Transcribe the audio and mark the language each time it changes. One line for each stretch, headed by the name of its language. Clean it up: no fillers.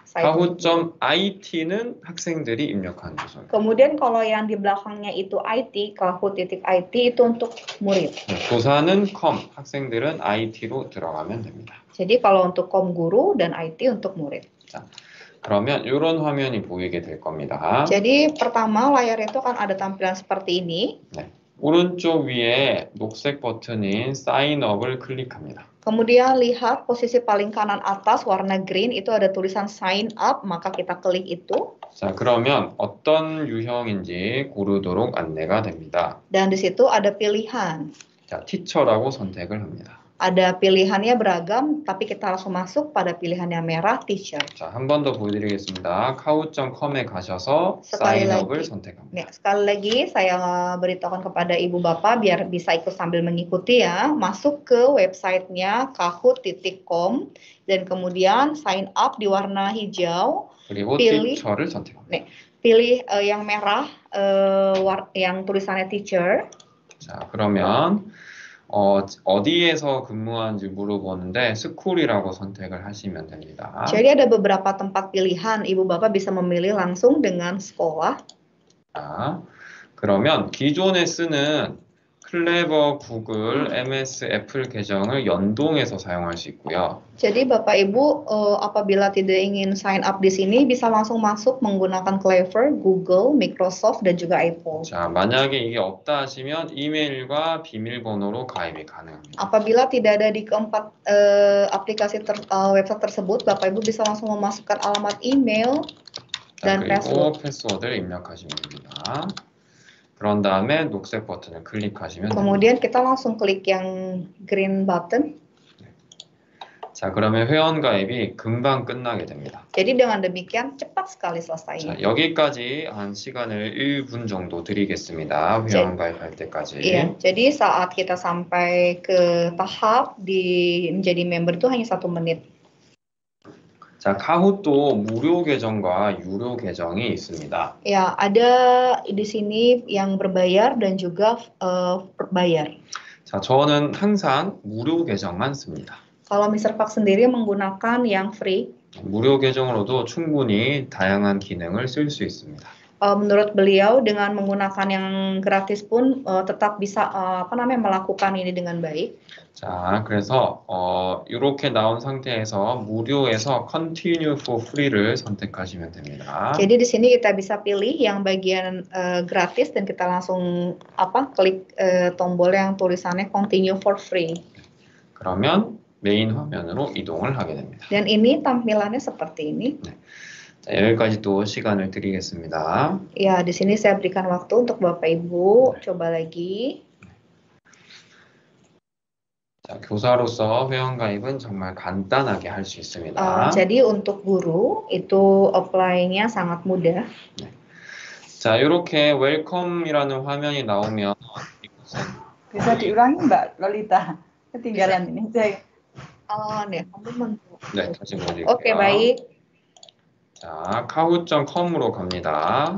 Korean: kahoot.it는 학생들이 입력한 주소입니다.
Indonesian: Kemudian kalau yang di belakangnya itu IT, kahoot.it itu untuk murid.
Korean: 네, 교사는 com, 학생들은 IT로 들어가면 됩니다.
Indonesian: Jadi kalau untuk com guru dan IT untuk murid.
Korean: 자. 그러면 이런 화면이 보이게 될 겁니다.
Indonesian: Jadi pertama layar itu akan ada tampilan seperti ini.
Korean: 네. 오른쪽 위에 녹색 버튼인 sign up을 클릭합니다.
Indonesian: Kemudian lihat posisi paling kanan atas warna green itu ada tulisan sign up, maka kita klik itu.
Korean: 자, 그러면 어떤 유형인지 고르도록 안내가 됩니다.
Indonesian: Dan di situ ada pilihan.
Korean: 자, teacher라고 선택을 합니다.
Indonesian: Ada pilihannya beragam, tapi kita langsung masuk pada pilihan yang merah, teacher.
Korean: 자, 한 번 더 보여드리겠습니다. kahoot.com에 가셔서 sign up을 선택합니다.
Indonesian: 네, sekali lagi saya beritahukan kepada ibu bapak biar bisa ikut sambil mengikuti ya. Masuk ke website-nya kahoot.com dan kemudian sign up di warna hijau.
Korean: 그리고 pilih, teacher을 선택합니다.
Indonesian: 네, pilih yang merah, yang tulisannya teacher.
Korean: 자, 그러면 어디에서 근무하는지 물어보는데 스쿨이라고 선택을 하시면 됩니다.
Indonesian: Jadi ada beberapa tempat pilihan. Ibu bapak bisa memilih langsung dengan sekolah.
Korean: 자, 그러면 기존에 쓰는 클레버, 구글, MS, 애플 계정을 연동해서 사용할 수 있고요.
Indonesian: Jadi bapak ibu apabila tidak ingin sign up di sini bisa langsung masuk menggunakan Clever, Google, Microsoft dan juga Apple.
Korean: 자, 만약에 이게 없다 하시면 이메일과 비밀번호로 가입이 가능합니다.
Indonesian: Apabila tidak ada di keempat aplikasi website tersebut, bapak ibu bisa langsung memasukkan alamat email dan
Korean: 그리고
English: password.
Korean: 그리고 패스워드를 입력하시면 됩니다. 그런 다음에 녹색 버튼을 클릭하시면
Indonesian: Kemudian 됩니다. kita langsung klik yang green button.
Korean: 자, 그러면 회원 가입이 금방 끝나게 됩니다.
Indonesian: Jadi dengan demikian cepat sekali selesai.
Korean: 자, 여기까지 한 시간을 1분 정도 드리겠습니다. 회원 가입할 때까지. Yeah.
Indonesian: Jadi saat kita sampai ke tahap di menjadi member itu hanya 1 menit.
Korean: 자, 카훗도 무료 계정과 유료 계정이 있습니다.
Indonesian: Ya, ada di sini yang berbayar dan juga berbayar.
Korean: 자, 저는 항상 무료 계정만 씁니다.
Indonesian: Kalau Mr. Park sendiri menggunakan yang free.
Korean: 무료 계정으로도 충분히 다양한 기능을 쓸 수 있습니다.
Indonesian: Menurut beliau dengan menggunakan yang gratis pun tetap bisa apa namanya melakukan ini dengan baik.
Korean: 자, 그래서 이렇게 나온 상태에서 무료에서 continue for free를 선택하시면 됩니다.
Indonesian: Jadi di sini kita bisa pilih yang bagian gratis dan kita langsung apa klik tombol yang tulisannya continue for free.
Korean: 그러면 메인 화면으로 이동을 하게 됩니다.
Indonesian: Dan ini tampilannya seperti ini.
Korean: 네. 자, 여기까지 또 시간을 드리겠습니다.
Indonesian: Ya, di sini saya berikan waktu untuk Bapak Ibu 네. coba lagi.
Korean: 자, 교사로서 회원 가입은 정말 간단하게 할 수 있습니다.
Indonesian: Jadi untuk guru itu apply-nya sangat mudah.
Korean: 네. 자, 이렇게 welcome이라는 화면이 나오면
Indonesian: bisa diulangi Mbak Lolita. Ketinggalan ini. Nih, teman-teman.
Korean: 네, 다시 보여드릴게요.
Indonesian: Oke, baik.
Korean: 자, kahoot.com으로 갑니다.